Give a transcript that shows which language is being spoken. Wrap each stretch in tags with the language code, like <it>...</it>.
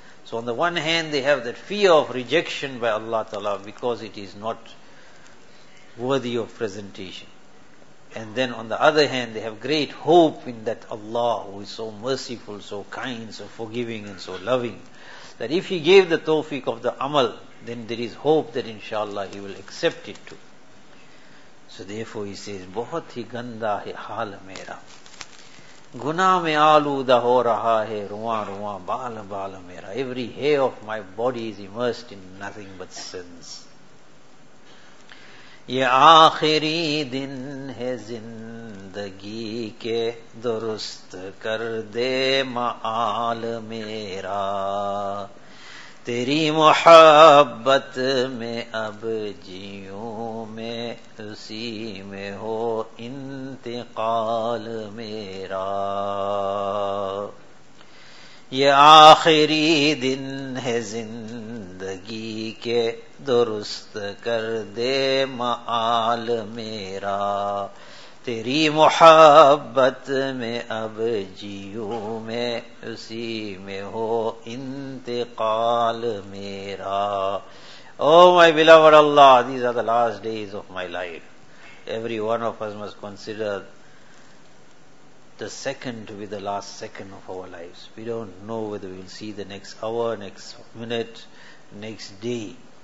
<en>So on the one hand, they have that fear of rejection by Allah Ta'ala because it is not worthy of presentation. And then on the other hand, they have great hope in that Allah who is so merciful, so kind, so forgiving and so loving, that if He gave the tawfiq of the amal, then there is hope that inshallah He will accept it too. So therefore He says,</en> <ur>بہت ہی گندا ہے حال میرا، گناہ میں آلودہ ہو رہا ہے رواں رواں بال بال میرا،</ur> <en>every hair of my body is immersed in nothing but sins.</en> <ur>یہ آخری دن ہے زندگی کے، درست کر دے معال میرا، تیری محبت میں اب جیوں میں، اسی میں ہو انتقال میرا، یہ آخری دن ہے زندگی کے، درست کر دے معال میرا، تیری محبت میں اب جیوں میں، اسی میں ہو انتقال میرا.</ur> <en>Oh my beloved Allah, these are the last days of my life. Every one of us must consider the second to be the last second of our lives. We don't know whether we will see the next hour, next minute, next day.</en>